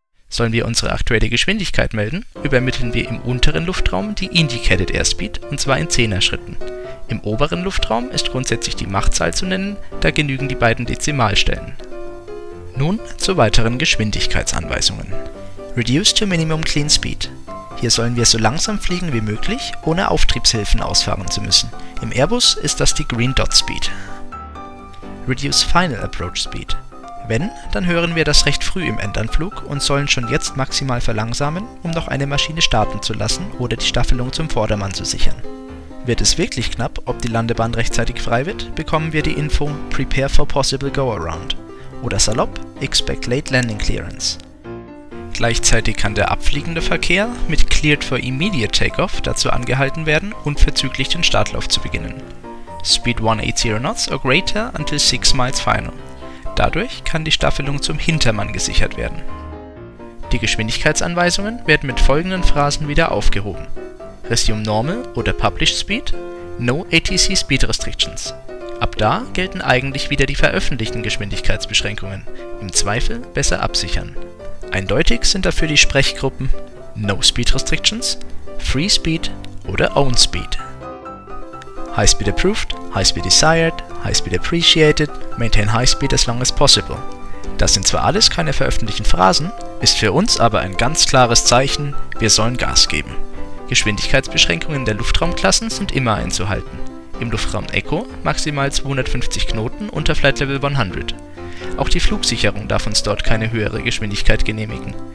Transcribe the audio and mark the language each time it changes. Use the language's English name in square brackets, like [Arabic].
[German] Sollen wir unsere aktuelle Geschwindigkeit melden, übermitteln wir im unteren Luftraum die Indicated Airspeed, und zwar in 10er Schritten. Im oberen Luftraum ist grundsätzlich die Machtzahl zu nennen, da genügen die beiden Dezimalstellen. Nun zu weiteren Geschwindigkeitsanweisungen. [English] Reduce to Minimum Clean Speed. [German] Hier sollen wir so langsam fliegen wie möglich, ohne Auftriebshilfen ausfahren zu müssen. Im Airbus ist das die Green Dot Speed. [English] Reduce Final Approach Speed. [German] Wenn, dann hören wir das recht früh im Endanflug und sollen schon jetzt maximal verlangsamen, um noch eine Maschine starten zu lassen oder die Staffelung zum Vordermann zu sichern. Wird es wirklich knapp, ob die Landebahn rechtzeitig frei wird, bekommen wir die Info [English] Prepare for Possible Go-Around [German] oder salopp [English] Expect Late Landing Clearance. [German] Gleichzeitig kann der abfliegende Verkehr mit [English] Cleared for Immediate Takeoff [German] dazu angehalten werden, unverzüglich den Startlauf zu beginnen. [English] Speed 180 Knots or greater until 6 miles final. [German] Dadurch kann die Staffelung zum Hintermann gesichert werden. Die Geschwindigkeitsanweisungen werden mit folgenden Phrasen wieder aufgehoben. [English] Resume Normal oder Published Speed, No ATC Speed Restrictions. [German] Ab da gelten eigentlich wieder die veröffentlichten Geschwindigkeitsbeschränkungen, im Zweifel besser absichern. Eindeutig sind dafür die Sprechgruppen [English] No Speed Restrictions, Free Speed [German] oder [English] Own Speed. High Speed Approved, High Speed Desired, High Speed Appreciated, Maintain High Speed as long as possible. [German] Das sind zwar alles keine veröffentlichten Phrasen, ist für uns aber ein ganz klares Zeichen, wir sollen Gas geben. Geschwindigkeitsbeschränkungen der Luftraumklassen sind immer einzuhalten. Im Luftraum Echo maximal 250 Knoten unter Flight Level 100. Auch die Flugsicherung darf uns dort keine höhere Geschwindigkeit genehmigen.